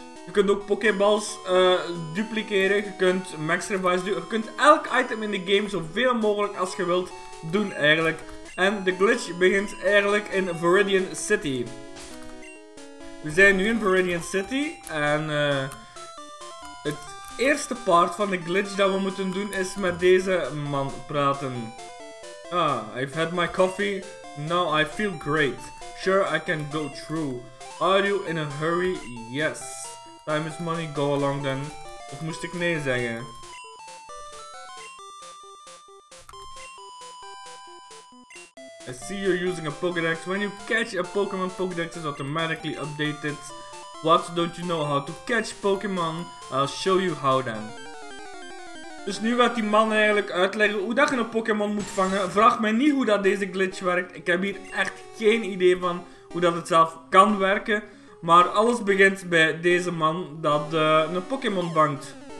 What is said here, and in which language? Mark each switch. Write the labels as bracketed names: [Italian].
[Dutch] Je kunt ook pokeballs dupliceren, je kunt max revives doen, je kunt elk item in de game zoveel mogelijk als je wilt doen eigenlijk. En de glitch begint eigenlijk in Viridian City. We zijn nu in Viridian City en het eerste part van de glitch dat we moeten doen is met deze man praten. [English] Ah, I've had my coffee, now I feel great. Sure, I can go through. Are you in a hurry? Yes. Time is money, go along then. [Dutch] Of moest ik nee zeggen? [English] I see you're using a Pokédex. When you catch a Pokémon, Pokédex is automatically updated. What, don't you know how to catch Pokémon? I'll show you how then. [Dutch] Dus nu gaat die man eigenlijk uitleggen hoe dat je een Pokémon moet vangen. Vraag mij niet hoe dat deze glitch werkt. Ik heb hier echt geen idee van hoe dat het zelf kan werken. Maar alles begint bij deze man dat een Pokémon vangt.